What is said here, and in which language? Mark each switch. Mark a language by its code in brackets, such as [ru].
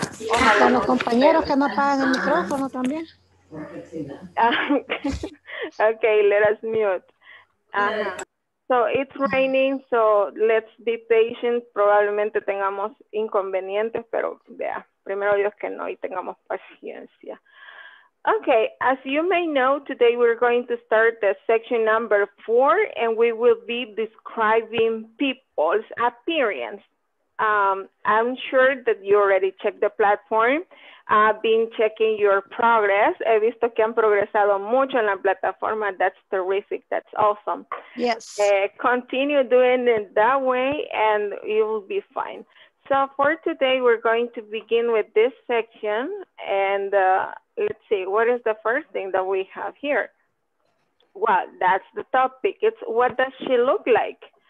[es] Ojalá los compañeros que no apagan el micrófono también. [en] Okay, let us mute. So it's raining, so let's be patient. [es] Probablemente tengamos inconvenientes, pero vea, primero Dios que no y tengamos paciencia. [en] Okay, as you may know, today we're going to start the section number 4 and we will be describing people's appearance. I'm sure that you already checked the platform. I've been checking your progress. [es] He visto que han progresado mucho en la plataforma. [en] That's terrific. That's awesome. Yes. Continue doing it that way and you will be fine. So for today, we're going to begin with this section. And let's see, what is the first thing that we have here? Well, that's the topic. It's what does she look like?